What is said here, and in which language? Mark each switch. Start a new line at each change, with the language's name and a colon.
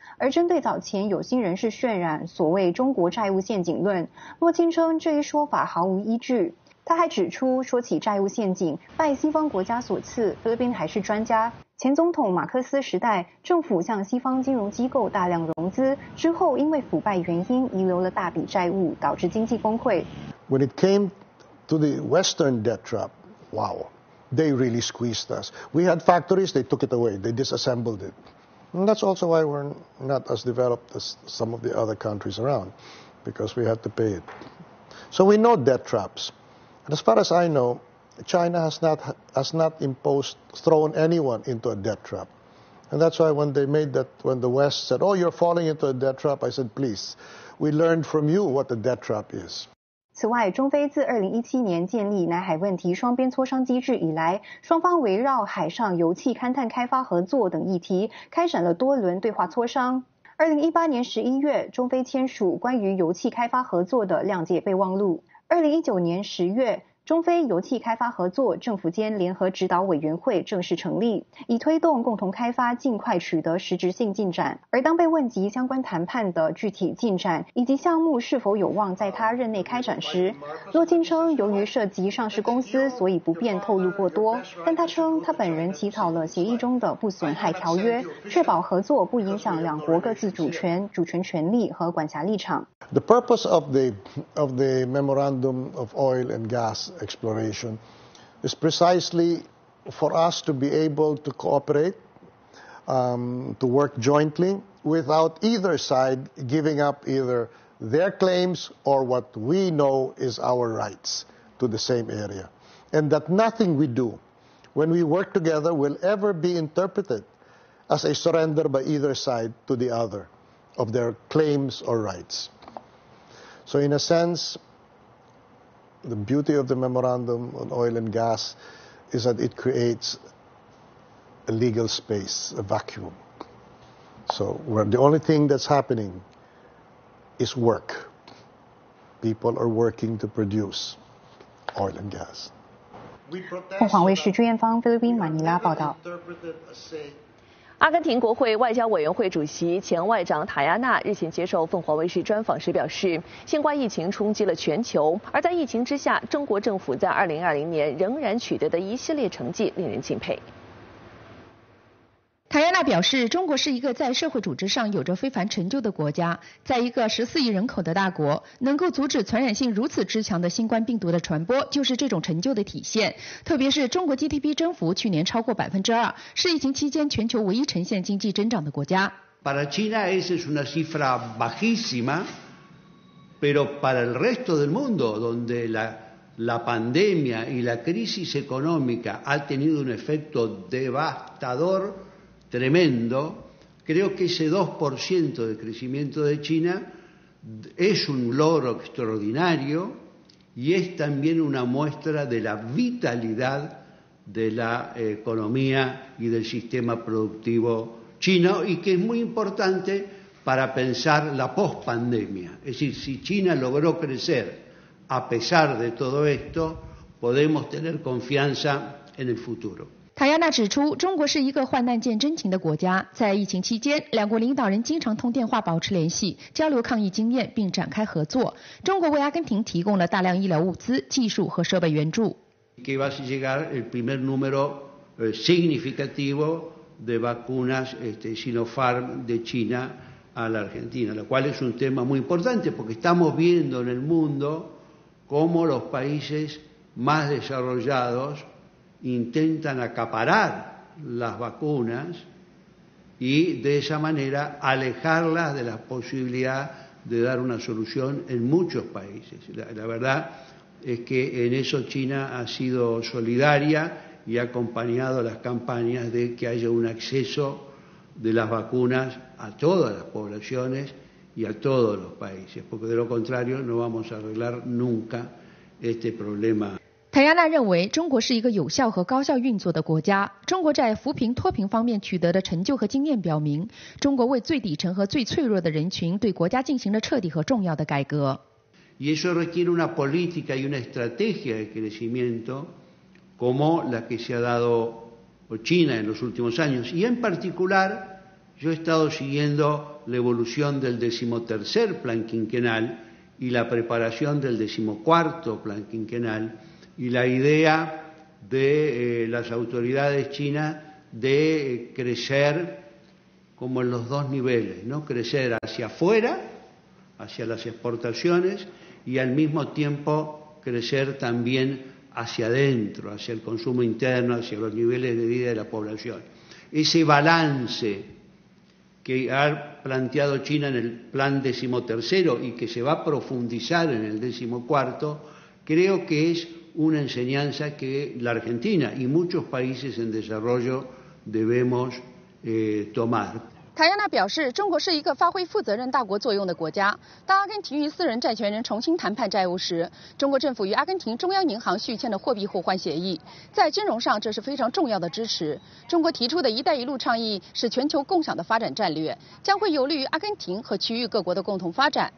Chinese: 而针对早前有新人士渲染所谓中国债务陷阱论，洛钦称这一说法毫无依据。他还指出，说起债务陷阱，拜西方国家所赐，菲律宾还是专家。前总统马克思时代，政府向西方金融机构大量融资，之后因为腐败原因遗留了大笔债务，导致经济崩溃。
English: When it came to the Western debt trap, wow, they really squeezed us. We had factories, they took it away, they disassembled it. And that's also why we're not as developed as some of the other countries around, because we had to pay it. So we know debt traps. And as far as I know,China has not imposed, thrown anyone into a debt trap. And that's why when the West said, oh, you're falling into a debt trap, I said, please, we learned from you what the debt trap is.
Chinese: 此外，中非自2017年建立南海问题双边磋商机制以来，双方围绕海上油气勘探开发合作等议题开展了多轮对话磋商。 2018年11月，中非签署关于油气开发合作的谅解备忘录。 2019年10月，中非油气开发合作政府间联合指导委员会正式成立，以推动共同开发尽快取得实质性进展。而当被问及相关谈判的具体进展以及项目是否有望在他任内开展时，洛钦称由于涉及上市公司，所以不便透露过多，但他称他本人起草了协议中的不损害条约，确保合作不影响两国各自主权权利和管辖立场。
English: The purpose of the memorandum of oil and gas exploration is precisely for us to be able to cooperate, to work jointly without either side giving up either their claims or what we know is our rights to the same area. And that nothing we do when we work together will ever be interpreted as a surrender by either side to the other of their claims or rights. So in a sense, the beauty of the memorandum on oil and gas is that it creates a legal space, a vacuum. So where the only thing that's happening is work. People are working to produce oil and gas.
Chinese: 凤凰卫视朱艳芳，菲律宾马尼拉报道。阿根廷国会外交委员会主席前外长塔亚纳日前接受凤凰卫视专访时表示，新冠疫情冲击了全球，而在疫情之下，中国政府在2020年仍然取得的一系列成绩令人敬佩。塔亚纳表示，中国是一个在社会组织上有着非凡成就的国家，在一个14亿人口的大国，能够阻止传染性如此之强的新冠病毒的传播，就是这种成就的体现。特别是中国 GDP 增幅去年超过2%，是疫情期间全球唯一呈现经济增长的国家。
Spanish: Para China esa es una cifra bajísima, pero para el resto del mundo, donde la pandemia y la crisis económica ha tenido un efecto devastador. Tremendo, creo que ese 2% de crecimiento de China es un logro extraordinario y es también una muestra de la vitalidad de la economía y del sistema productivo chino y que es muy importante para pensar la pospandemia. Es decir, si China logró crecer a pesar de todo esto, podemos tener confianza en el futuro。
Chinese: 塔亚娜指出，中国是一个患难见真情的国家，在疫情期间，两国领导人经常通电话保持联系，交流抗疫经验并展开合作。中国为阿根廷提供了大量医疗物资、技术和设备援助。
Spanish: Que va a llegar el primer número significativo de vacunas Sinopharm de China a la Argentina, lo cual es un tema muy importante porque estamos viendo en el mundo cómo los países más desarrollados intentan acaparar las vacunas y de esa manera alejarlas de la posibilidad de dar una solución en muchos países. La verdad es que en eso China ha sido solidaria y ha acompañado las campañas de que haya un acceso de las vacunas a todas las poblaciones y a todos los países, porque de lo contrario no vamos a arreglar nunca este problema。
Chinese: 塔亚娜认为，中国是一个有效和高效运作的国家。中国在扶贫脱贫方面取得的成就和经验表明，中国为最底层和最脆弱的人群对国家进行了彻底和重要的改革。
Spanish: Y eso requiere una política y una estrategia de crecimiento como la que se ha dado China en los últimos años. Y en particular, yo he estado siguiendo la evolución del 13º plan quinquenal y la preparación del 14º plan quinquenal. Y la idea de las autoridades chinas de crecer como en los dos niveles, ¿no? Crecer hacia afuera, hacia las exportaciones, y al mismo tiempo crecer también hacia adentro, hacia el consumo interno, hacia los niveles de vida de la población. Ese balance que ha planteado China en el plan 13º y que se va a profundizar en el 14º, creo que es... una enseñanza que la Argentina y muchos países en desarrollo debemos tomar。
Chinese: 塔亚娜表示，中国是一个发挥负责任大国作用的国家。当阿根廷与私人债权人重新谈判债务时，中国政府与阿根廷中央银行续签了货币互换协议，在金融上这是非常重要的支持。中国提出的一带一路倡议是全球共享的发展战略，将会有利于阿根廷和区域各国的共同发展。